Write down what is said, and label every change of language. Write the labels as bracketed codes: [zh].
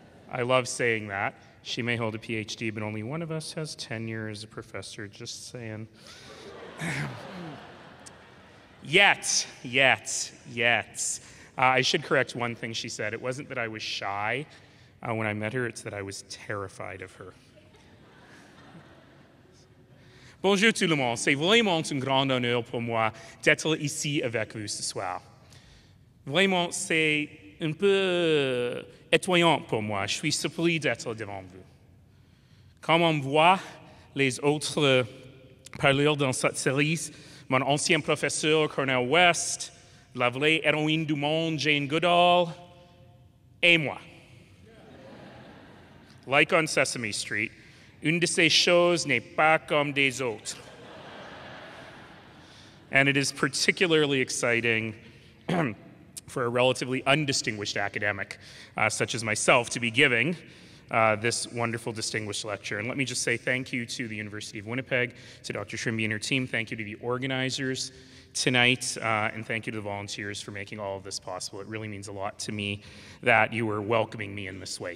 [en] I love saying that. She may hold a PhD, but only one of us has tenure as a professor, just saying. yet. I should correct one thing she said. It wasn't that I was shy when I met her, it's that I was terrified of her. [fr] Bonjour tout le monde. C'est vraiment un grand honneur pour moi d'être ici avec vous ce soir. Vraiment, c'est un peu étonnant pour moi. Je suis surpris d'être devant vous. Comme on voit les autres parleurs dans cette série, mon ancien professeur Cornel West, la vraie héroïne du monde Jane Goodall, et moi. [en] Like on Sesame Street, [fr] une de ces choses n'est pas comme des autres. [en] And it is particularly exciting for a relatively undistinguished academic such as myself to be giving this wonderful distinguished lecture. And let me just say thank you to the University of Winnipeg, to Dr. Trimby and her team. Thank you to the organizers tonight, and thank you to the volunteers for making all of this possible. It really means a lot to me that you were welcoming me in this way.